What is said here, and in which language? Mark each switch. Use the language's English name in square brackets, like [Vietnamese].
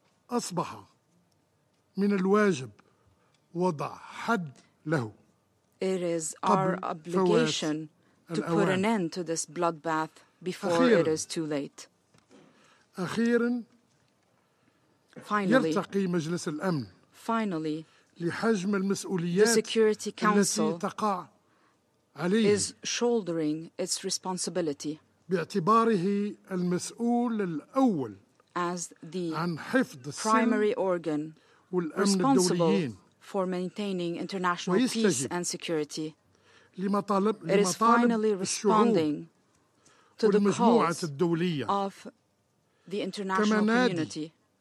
[Arabic] وأصبح من الواجب وضع حد له. [English] It is our obligation to put an end to this bloodbath before it is too late. [Arabic] أخيرا [English] finally [Arabic] يلتقي مجلس الأمن [English] finally, [Arabic] لحجم المسؤوليات [English] the Security Council [Arabic] التي تقع عليه [English] is shouldering its responsibility. [Arabic] باعتباره المسؤول الأول [English] as the primary organ responsible for maintaining international peace and security. It is finally responding to the calls of the international community.